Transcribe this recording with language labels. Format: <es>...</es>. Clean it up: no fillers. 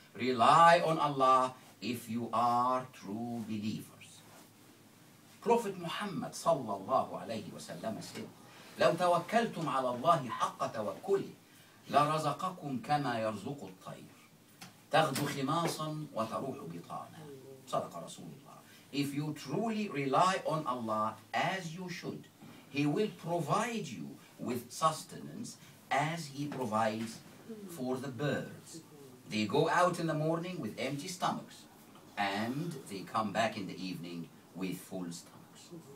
<en>Rely on Allah if you are true believers.</en> <ar>Prophet Muhammad صلى الله عليه وسلم said, لو توكلتم على الله حق توكله لرزقكم كما يرزق الطير. تغدو خماصا وتروح بطانا. صدق رسول الله.</ar> <en>If you truly rely on Allah as you should, he will provide you with sustenance as he provides for the birds. They go out in the morning with empty stomachs and they come back in the evening with full stomachs.</en>